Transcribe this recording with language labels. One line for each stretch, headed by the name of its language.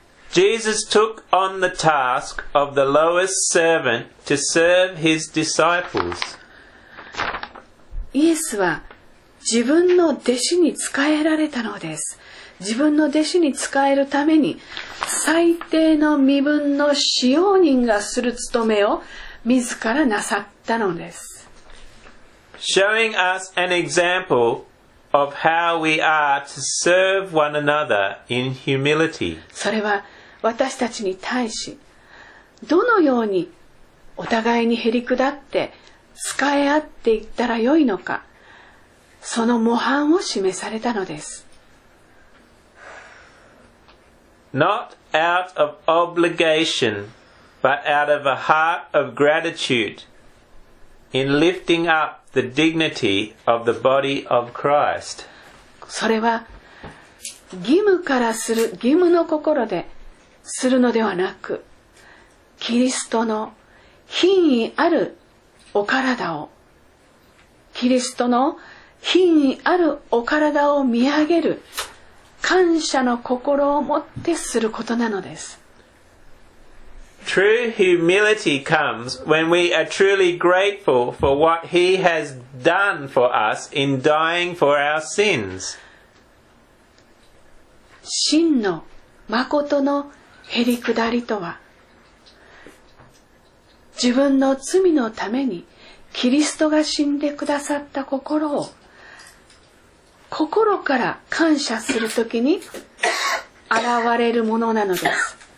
English: Jesus took on the task of the lowest servant to serve his disciples.
Japanese: イエスは自分の弟子に仕えられたのです。自分の弟子に仕えるために最低の身分の使用人がする務めを自らなさったのです。
English: Showing us an example of how we are to serve one another in humility.
Japanese: それは私たちに対し、どのようにお互いにへり下って仕え合っていったらよいのか、その模範を示されたのです。
English: Not out of obligation, but out of a heart of gratitude in lifting up the dignity of the body of Christ.
Japanese: それは義務からする、義務の心でするのではなく、キリストの品位あるお体を、キリストの品位あるお体を見上げる、感謝の心を持ってすることなのです。
English: True humility comes when we are truly grateful for what He has done for us in dying for our sins.
Japanese: 真の誠のへりくだりとは、自分の罪のためにキリストが死んでくださった心を心から感謝するときに現れるものなのです。